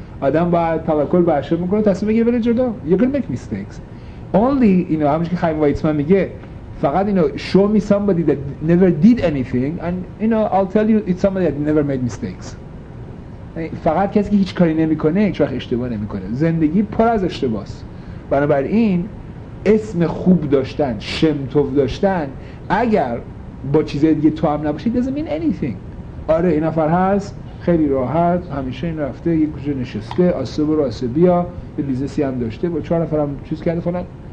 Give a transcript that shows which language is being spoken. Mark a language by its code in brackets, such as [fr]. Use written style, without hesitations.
[fa] آدم باید توکل به هاشم میکنه تصمیم بگیره بره جلو. [en] You're gonna make mistakes. Only, you know, [fa] همونش که خیم وایتسمن میگه فقط, [en] you know, show me somebody that never did anything and, you know, I'll tell you it's somebody that never made mistakes. [fa] فقط کسی که هیچ کاری نمیکنه هیچ وقت اشتباه نمیکنه. زندگی پر از اشتباه است. بنابراین اسم خوب داشتن، شمتوف داشتن اگر با چیزهای دیگه تو هم نباشه [en] doesn't mean anything. [fa] آره این نفر هست خیلی راحت همیشه این رفته یک کجا نشسته آسبه رو آسبیا به بیزنسی هم داشته با چهار نفر هم چیز کرده فلان.